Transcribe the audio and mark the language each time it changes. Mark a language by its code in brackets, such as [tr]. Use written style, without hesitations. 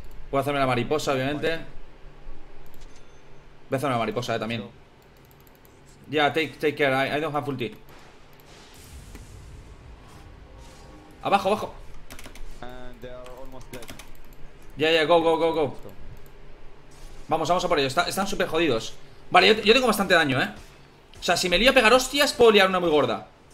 [es] Puedo hacerme la mariposa, obviamente. Voy a hacer una mariposa, también. [en] Yeah, take care, I don't have ulti. [es] Abajo, abajo. [en] And they are almost dead. Yeah, go. [es] Vamos a por ellos, están súper jodidos. Vale, yo tengo bastante daño, O sea, si me lío a pegar hostias, puedo liar una muy gorda.